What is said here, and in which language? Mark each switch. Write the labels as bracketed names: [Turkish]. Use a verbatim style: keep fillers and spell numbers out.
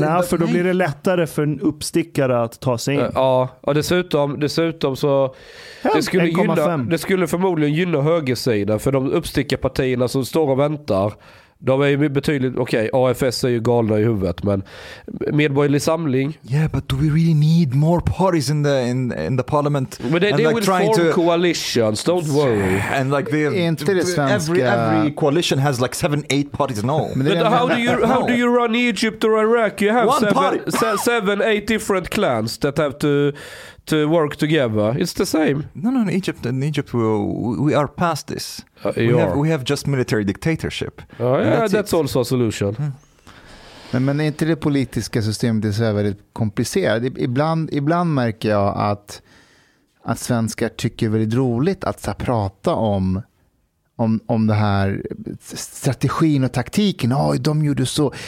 [Swedish] Nej, för då blir det lättare för en uppstickare att ta sig in. Ja, och dessutom, dessutom så... Det skulle, gynna, det skulle förmodligen gynna högersidan, för de uppstickarpartierna som står och väntar, de är ju betydligt... Okej, okay, A F S är ju galna i huvudet, men Medborgerlig Samling... [English] Yeah, but do we really need more parties in the, in, in the parliament? But they, they like will form to... coalitions, don't worry. And like they, every, [Swedish] svenska... [English] every coalition has like seven, eight parties in all. But how do you how do you run Egypt or Iraq? You have seven, se, seven, eight different clans that have to... to work together. It's the same. No, no, in Egypt, in Egypt we, we are past this. Uh, we, have, we have just military dictatorship. Uh, yeah, that's, that's also a solution. Mm. [Swedish] Men, men är inte det politiska systemet är så här väldigt komplicerat? Ibland, ibland märker jag att, att svenskar tycker väldigt roligt att så här, prata om Om, om det här strategin och taktiken. Oj, de gjorde så.